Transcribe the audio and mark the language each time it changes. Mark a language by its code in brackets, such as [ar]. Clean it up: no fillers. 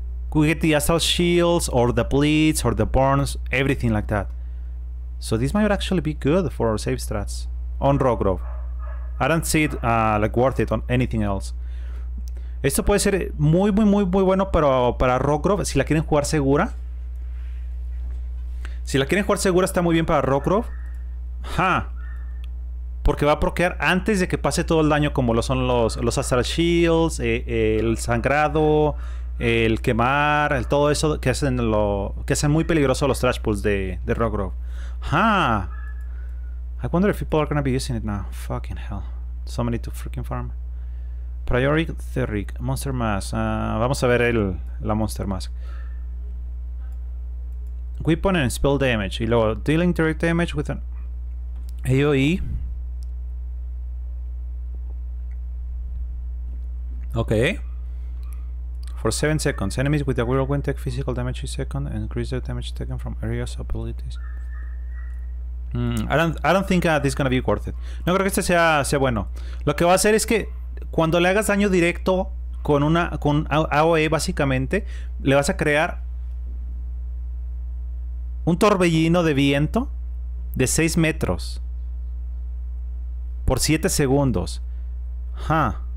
[en] Could we get the assault shields or the bleeds or the burns, everything like that. So this might actually be good for our save strats on Rockgrove. I don't see it like worth it on anything else. [es] Esto puede ser muy, muy, muy, muy bueno, pero para Rockgrove, si la quieren jugar segura. Si la quieren jugar segura, está muy bien para Rockgrove. ¡Ja! Porque va a proquear antes de que pase todo el daño, como lo son los Astral Shields, el sangrado, el quemar, el todo eso que hacen, que hacen muy peligroso los Trash Pulls de Rockgrove. ¡Ja! [en] I wonder if people are gonna be using it now. Fucking hell. So many to freaking farm. Priority Theric, Monster Mask. [es] Vamos a ver la Monster Mask. [en] Weapon and spell damage. [es] Y luego, [en] dealing direct damage with an AoE. Ok. For 7 seconds. Enemies with a whirlwind take physical damage each second and increase their damage taken from areas of abilities. I don't think this is gonna be worth it. [es] No creo que este sea bueno. Lo que va a hacer es que cuando le hagas daño directo con una con AoE, básicamente, le vas a crear un torbellino de viento de 6 metros por 7 segundos. Huh.